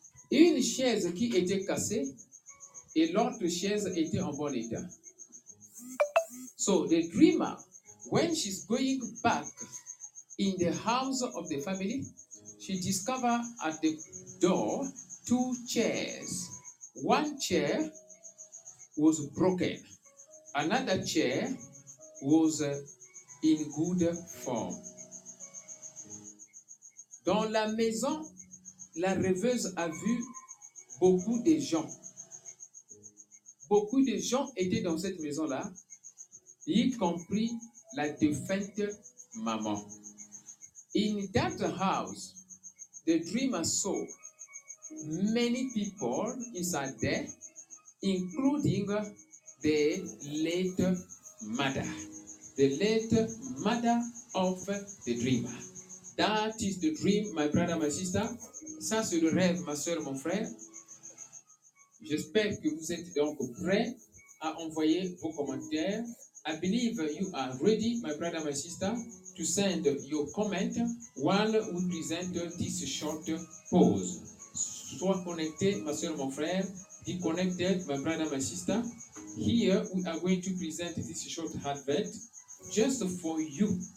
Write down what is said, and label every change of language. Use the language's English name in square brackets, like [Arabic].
[French] Une chaise qui était cassée et l'autre chaise était en bon état. [English] So the dreamer, when she's going back in the house of the family, she discovered at the door, two chairs. One chair was broken. Another chair was in good form. [French] Dans la maison, la rêveuse a vu beaucoup de gens. Beaucoup de gens étaient dans cette maison-là, y compris la défunte maman. [English] In that house, the dreamer saw many people inside there, including the late mother. The late mother of the dreamer. That is the dream, my brother, my sister. [French] Ça, c'est le rêve, ma soeur, mon frère. J'espère que vous êtes donc prêts à envoyer vos commentaires. [English] I believe you are ready, my brother, my sister, to send your comment while we present this short pause. [French] Sois connecté, ma soeur, mon frère. [English] Be connected, my brother, my sister. Here, we are going to present this short advert just for you.